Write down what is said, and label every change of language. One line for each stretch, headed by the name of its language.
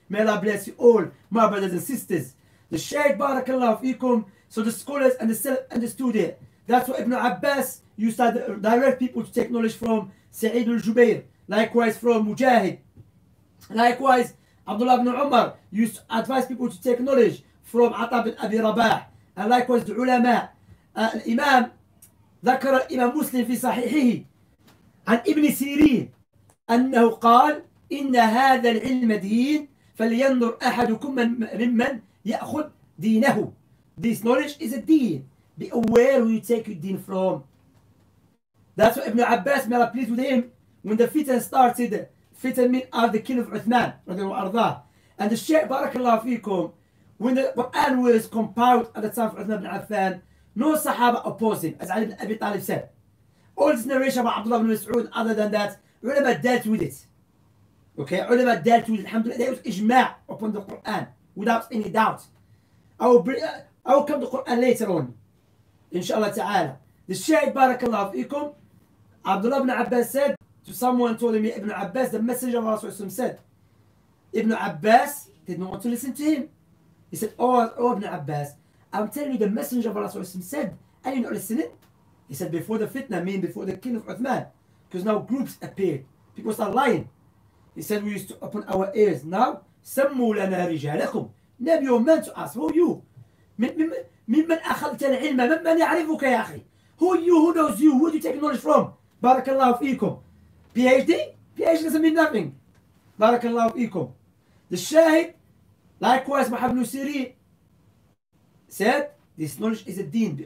English: May Allah bless you all, my brothers and sisters. The shaykh, barakallahu feekum. So the scholars and the self understood it. That's what Ibn Abbas used to direct people to take knowledge from Sa'id al-Jubayr. Likewise from Mujahid. Likewise, Abdullah ibn Umar used to advise people to take knowledge from Atab bin Abi Rabah. And likewise, the ulama, Imam,
Arabic: ذكر Imam Muslim في صحيحه عن ابن سيرين أنه قال إن هذا العلم دين فلينظر أحدكم ممن يأخذ دينه.
English: This knowledge is a deen. Be aware who you take your deen from. That's what Ibn Abbas, may Allah please with him, when the fitan started, fitan mean are the king of Uthman, radiallahu arda. And the Shaykh, barakallahu feekum, when the Quran was compiled at the time of Uthman ibn Affan, no Sahaba opposed him, as Ali ibn Abi Talib said. All this narration about Abdullah ibn Mas'ud, other than that, ulama dealt with it. Okay, ulama dealt with it, alhamdulillah, there was ijma' upon the Quran, without any doubt. I will come to Quran later on, inshallah ta'ala. The Shaykh, barakallahu feekum, Abdullah ibn Abbas said, to someone told him, Ibn Abbas, the messenger of Allah said, Ibn Abbas did not want to listen to him. He said, oh Ibn Abbas, I'm telling you the messenger of Allah said, are you not listening? He said, before the fitna, I mean before the king of Uthman, because now groups appear, people start lying. He said, we used to open our ears. Now,
Arabic: سَمُّوا لَنَا رِجَالَكُمْ.
English: Name your men to us, who are you?
Arabic: مِمَّنْ أَخَلْتَ الْعِلْمَ مِمَّنْ يَعْرِفُكَ يَا أَخِي.
English: Who are you? Who knows you? Who do you take knowledge from? Barakallahu feekum. PhD? PhD doesn't mean nothing. Barakallahu feekum. The Shaykh, likewise, Muhammad ibn Siri, said, this knowledge is a deen.